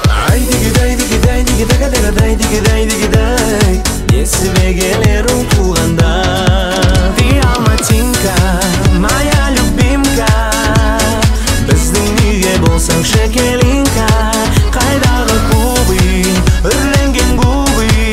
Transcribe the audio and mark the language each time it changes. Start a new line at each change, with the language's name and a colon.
Kazakh: Ай диги дай диги дай диги дага дага дай диги дай диги дай. Несібе келер ол туғанда.
Russian: Ты алматинка, моя любимка.
Kazakh: Біздің үйге болсаң шекелинка. Қайдағы кубы, үрленген губы.